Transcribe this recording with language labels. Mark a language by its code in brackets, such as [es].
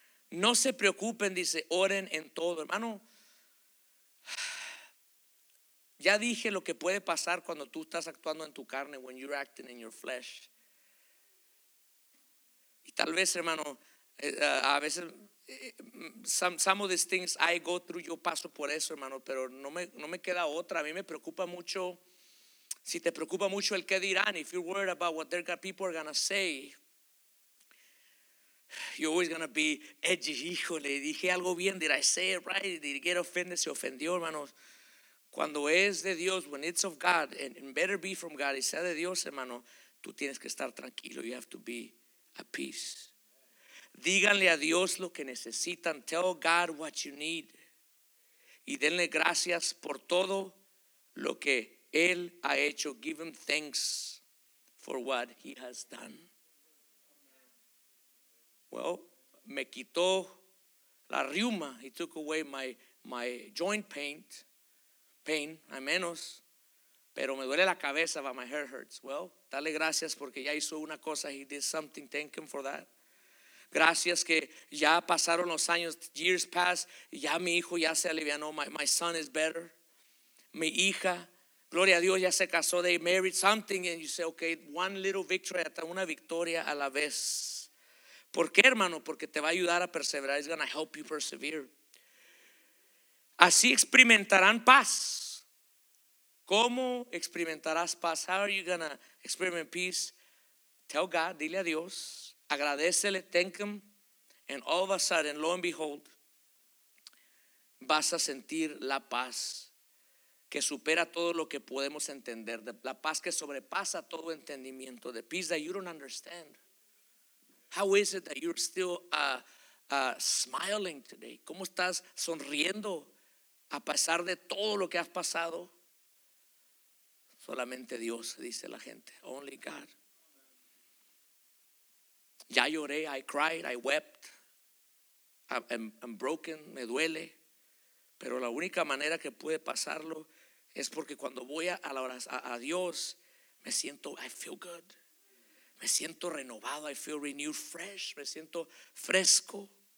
[es] No se preocupen, dice, oren en todo. Hermano, ya dije lo que puede pasar cuando tú estás actuando en tu carne, [en] when you're acting in your flesh. [es] Y tal vez, hermano, a veces, [en] some of these things I go through, [es] yo paso por eso, hermano, pero no me queda otra. A mí me preocupa mucho. Si te preocupa mucho el qué dirán, [en] if you're worried about what people are going to say, you're always going to be edgy. [es] Híjole, dije algo bien, [en] did I say it right? Did he get offended? [es] Se ofendió, hermanos. Cuando es de Dios, [en] when it's of God, and better be from God, [es] y sea de Dios, hermano, tú tienes que estar tranquilo. [en] You have to be at peace. [es] Díganle a Dios lo que necesitan. [en] Tell God what you need. [es] y denle gracias por todo lo que Él ha hecho. [en] Give Him thanks for what He has done. [es] Well, me quitó la riuma. [en] He took away my joint pain, [es] al menos. Pero me duele la cabeza, [en] but my hair hurts. Well, [es] dale gracias porque ya hizo una cosa. [en] He did something. Thank Him for that. [es] Gracias que ya pasaron los años, [en] years passed, [es] ya mi hijo ya se alivianó. [en] My son is better. [es] Mi hija, gloria a Dios, ya se casó. [en] They married something. And you say, okay, one little victory, [es] una victoria a la vez. ¿Por qué, hermano? Porque te va a ayudar a perseverar. [en] It's going to help you persevere. [es] Así experimentarán paz. ¿Cómo experimentarás paz? [en] How are you going to experiment peace? Tell God, [es] dile a Dios, agradecele, [en] thank Him, and all of a sudden, lo and behold, [es] vas a sentir la paz que supera todo lo que podemos entender, la paz que sobrepasa todo entendimiento, [en] the peace that you don't understand. How is it that you're still smiling today? [es] ¿Cómo estás sonriendo a pesar de todo lo que has pasado? Solamente Dios, dice la gente, [en] only God. [es] Ya lloré, [en] I cried, I wept, I'm broken, [es] me duele, pero la única manera que puede pasarlo es porque cuando voy a Dios, me siento, [en] I feel good, [es] me siento renovado, [en] I feel renewed, fresh, [es] me siento fresco.